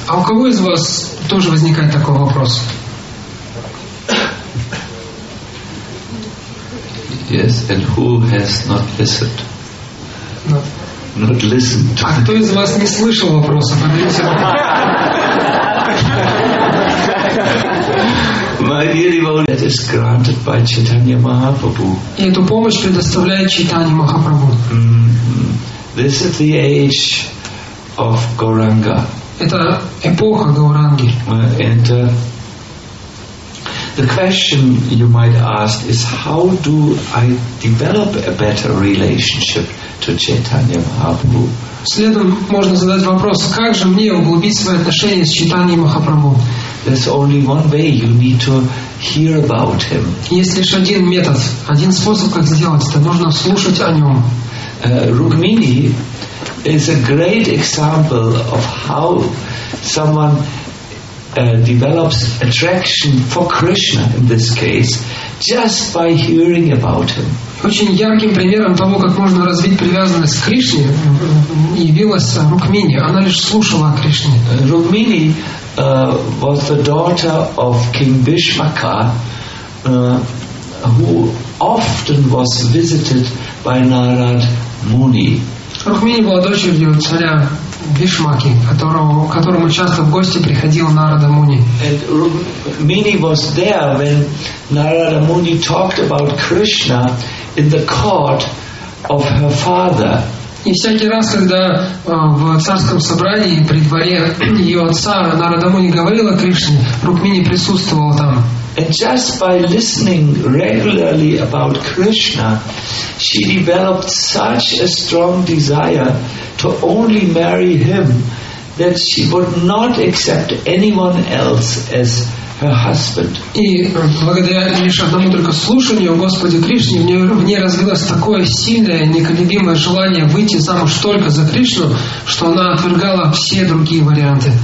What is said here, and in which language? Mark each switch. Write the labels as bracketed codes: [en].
[ru] А у кого из вас тоже возникает такой вопрос? [en] Yes, and who has not listened? Not listened to. [ru] А кто из вас не слышал вопроса? Поднимите руку. [en] My dear devotee, that is granted by Chaitanya Mahaprabhu. [ru] И эту помощь предоставляет Чайтанья Махапрабху. [en] This is the age of Gauranga. [ru] Это эпоха Гауранги. [en] And the question you might ask is, how do I develop a better relationship to Chaitanya Mahaprabhu? [ru] Следом можно задать вопрос, как же мне углубить свои отношения с Чайтаньей Махапрабху? [en] There's only one way. You need to hear about him. [ru] Есть лишь один метод, один способ, как сделать это. Нужно слушать о нем. [en] Rukmini is a great example of how someone develops attraction for Krishna in this case just by hearing about him. [ru] Очень ярким примером того, как можно развить привязанность к Кришне, явилась Рукмини. Она лишь слушала о Кришне. [en] Rukmini was the daughter of King Bhishmaka, who often was visited by Narad Muni. [ru] Rukmini была дочерью царя Бишмаки, которому часто в гости приходил Нарада Муни. [en] And Rukmini was there when Narada Muni talked about Krishna in the court of her father. [ru] И всякий раз, когда в царском собрании при дворе ее отца Нарада Муни говорила Кришне, Рукмини присутствовала там. [en] And just by listening regularly about Krishna, she developed such a strong desire to only marry him that she would not accept anyone else as her husband. [ru] И благодаря лишь одному только слушанию Господи Кришне в ней развилось такое сильное, неколебимое желание выйти замуж только за Кришну, что она отвергала все другие варианты.